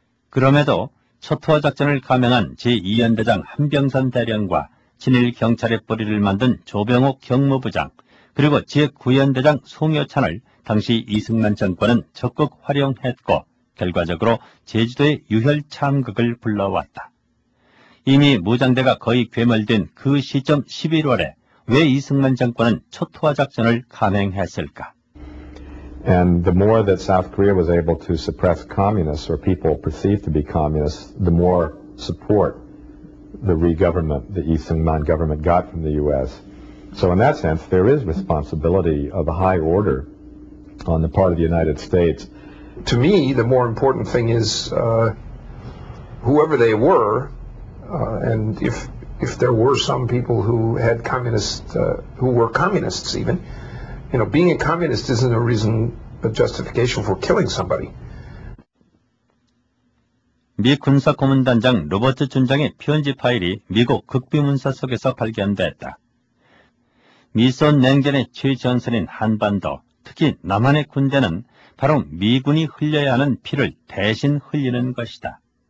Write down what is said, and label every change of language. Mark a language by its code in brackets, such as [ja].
[ko] 그럼에도 초토화 작전을 감행한 제2연대장 한병선 대령과 친일 경찰의 뿌리를 만든 조병옥 경무부장, 그리고 제9연대장 송여찬을 당시 이승만 정권은 적극 활용했고 결과적으로 제주도의 유혈 참극을 불러왔다. 이미 무장대가 거의 괴멸된 그 시점 11월에 왜 이승만 정권은 초토화 작전을 감행했을까? [en] And the more that South Korea was able to suppress communists or people perceived to be communists, the more support the re-government, the Lee-Sung-man government got from the U.S. So in that sense, there is responsibility of a high order on the part of the United States. To me, the more important thing is whoever they were, and if there were some people who had communist, who were communists even, you know, being a communist isn't a reason, a justification for killing somebody. [ko] 미 군사 고문단장 로버트 준장의 편지 파일이 미국 극비문서 속에서 발견됐다. 미선 냉전의 최전선인 한반도, 특히 남한의 군대는 바로 미군이 흘려야 하는 피를 대신 흘리는 것이다.